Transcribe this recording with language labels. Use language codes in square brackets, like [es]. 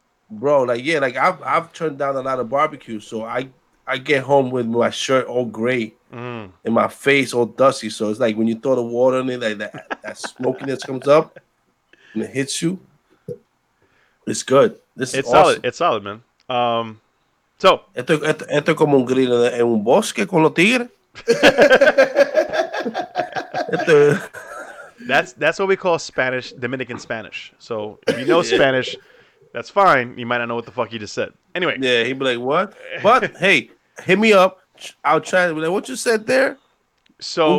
[en] Bro, like, yeah, like, I've turned down a lot of barbecue, so I get home with my shirt all gray and my face all dusty. So it's like when you throw the water in it, like, that smokiness comes up and it hits you. It's good. It's awesome. Solid. It's solid, man. So. [es] Esto es como un grito en un bosque con los tigres. [en] That's what we call Spanish, Dominican Spanish. So if you know Spanish... That's fine. You might not know what the fuck he just said. Anyway. Yeah, he'd be like, what? But, hey, hit me up. I'll try to be like, what you said there? So.